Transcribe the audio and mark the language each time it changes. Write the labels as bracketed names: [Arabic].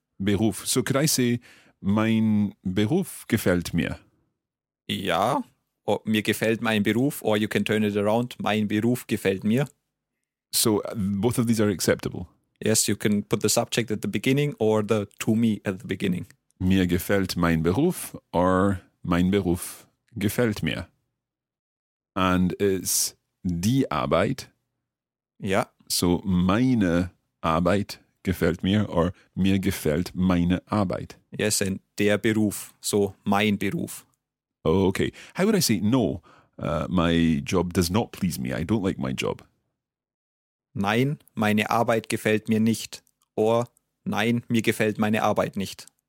[German] Beruf. [English] So could I say, [German] mein Beruf gefällt mir. Ja, mir gefällt mein Beruf, [English] or you can turn it around, [German] mein Beruf gefällt mir. [English] So both of these are acceptable? Yes, you can put the subject at the beginning or the to me at the beginning. [German] Mir gefällt mein Beruf [English] or [German] mein Beruf gefällt mir. [English] And it's [German] die Arbeit. Ja. [English] So [German] meine Arbeit gefällt mir [English] or [German] mir gefällt meine Arbeit. [English] Yes, and [German] der Beruf, [English] so [German] mein Beruf. [English] Okay, how would I say no, my job does not please me, I don't like my job? [German] Nein, meine Arbeit gefällt mir nicht [English] or [German] nein, mir gefällt meine Arbeit nicht.